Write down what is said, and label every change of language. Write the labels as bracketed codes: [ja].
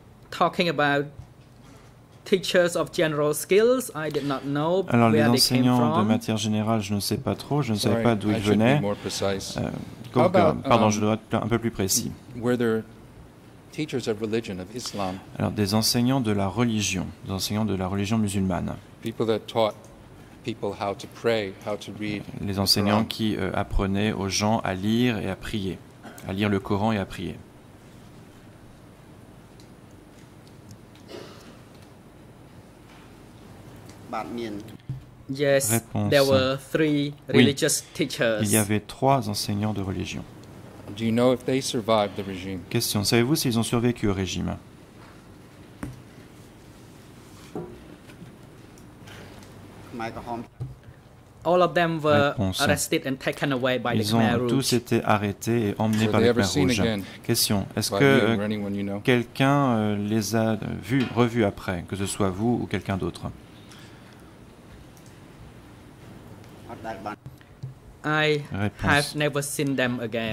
[en] Talking about teachers of general skills, I did not know where they came from. [fr] Alors les enseignants de matière générale, je ne sais pas trop, je ne savais pas d'où ils venaient. Pardon, je dois être un peu plus précis. [en] Were there teachers of religion of Islam? [fr] Alors des enseignants de la religion, des enseignants de la religion musulmane. [en] People that taught people how to pray, how to read. [fr] Les enseignants qui apprenaient aux gens à lire et à prier, à lire le Coran et à prier. [en] Yes, [fr] réponse. [en] There were three religious teachers. [fr] Il y avait trois enseignants de religion. [en] Do you know if they survived the regime? [fr] Question, savez-vous s'ils ont survécu au régime? [en] All of them were arrested and taken away by the [fr] Ils ont tous été arrêtés et emmenés par les Khmer Rouge. Question, est-ce que quelqu'un les a revus après, que ce soit vous ou quelqu'un d'autre? [en] I have never seen them again.